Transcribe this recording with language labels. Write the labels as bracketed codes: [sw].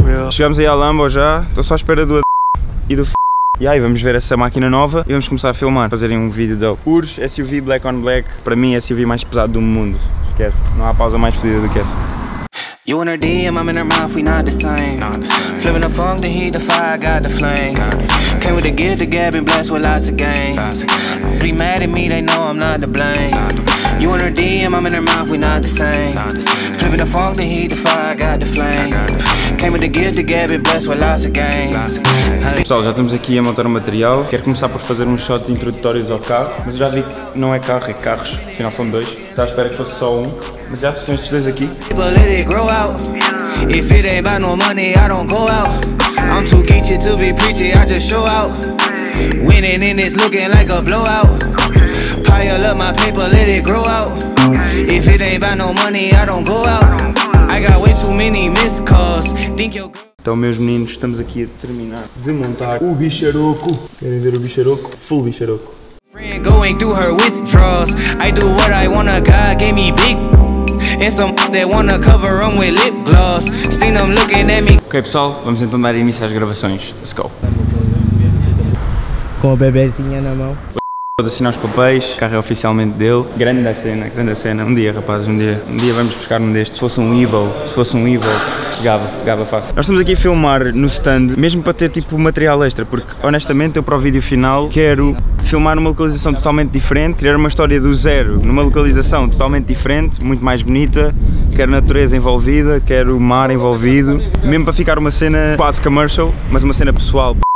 [pt] Chegamos aí à Lambo já, estou só à espera do e do f. E aí vamos ver essa máquina nova e vamos começar a filmar, fazerem um vídeo da Urus SUV Black on Black. Para mim, SUV mais pesado do mundo. Esquece, não há pausa mais fodida do que essa. [en] You in her DM, I'm in her mouth, we not the same. Flipping the funk, the heat, the fire, got the flame. Came with the gift, the gab, and blessed with lots of game. Pretty mad at me, they know I'm not to blame. You in her DM, I'm in her mouth, we not the same. Flipping the funk, the heat, the fire, I got the flame. Came with the gift to get me blessed with lots of games. [pt] Pessoal, já estamos aqui a montar o material. Quero começar por fazer uns shots introdutórios ao carro. Mas já vi que não é carro, é carros. Afinal, são dois. Estava à espera que fosse só um. Mas já, são estes dois aqui. [en] Let it grow out. If it ain't about no money, I don't go out. I'm too geeky to be preachy, I just show out. Winning in this looking like a blowout. Pile up my paper, let it grow out. If it ain't about no money, I don't go out. I got way too many missed calls. Think you're good. [pt] Então, meus meninos, estamos aqui a terminar de montar o bicharoco. Querem ver o bicharoco? Full bicharoco. [en] Friend going through her withdrawals. I do what I wanna, God gave me big. And some that wanna cover them with lip gloss. Seen them looking at me. [pt] Ok, pessoal, vamos então dar início às gravações. [en] Let's go. [pt] Com a bebezinha na mão. Vou assinar os papéis, o carro é oficialmente dele. Grande a cena, um dia rapazes, um dia vamos buscar um destes. Se fosse um Evo, chegava fácil. Nós estamos aqui a filmar no stand, mesmo para ter tipo material extra, porque honestamente eu para o vídeo final quero filmar numa localização totalmente diferente, criar uma história do zero numa localização totalmente diferente, muito mais bonita, quero natureza envolvida, quero mar envolvido, mesmo para ficar uma cena quase commercial, mas uma cena pessoal.